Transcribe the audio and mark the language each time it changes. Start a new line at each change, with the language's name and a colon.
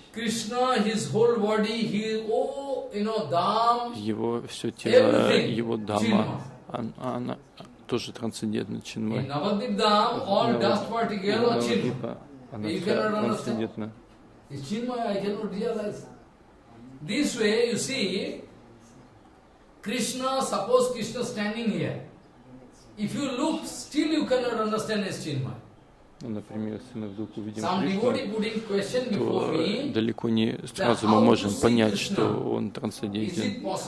English: Кришна, his whole body, he, oh, you know, dham,
Russian: его все тело, его дама, она тоже трансцендентна, чинмой. Навадвипа, она вся трансцендентна.
English: This way, you see, Krishna, suppose Krishna standing here. If you look, still you cannot understand his chinmay.
Russian: Например, если мы вдруг увидим Кришну, то далеко не сразу мы можем понять, что он трансцендентен.